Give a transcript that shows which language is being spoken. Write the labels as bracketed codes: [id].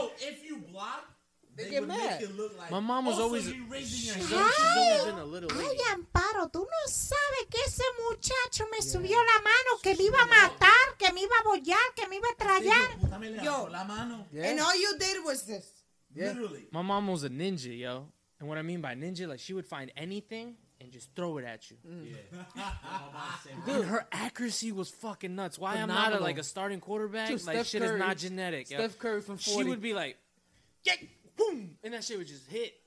[en] Oh, if you block, they get mad. Make it look like, my mom was oh, always. So hi. Hi, Amparo. [es] Tú no sabes que ese muchacho me subió la mano, que me iba a matar, que me iba a bollar, que me iba a trallar. Yo, la mano. [en] Yeah. And all you did was this. Yeah. Literally. My mom was a ninja, yo. And what I mean by ninja, like, she would find anything and just throw it at you. Yeah. Dude, her accuracy was fucking nuts. Why am I not a, like, a starting quarterback? Dude, like, shit is not genetic. Steph Curry from 40. She would be like, yeah, boom, and that shit would just hit.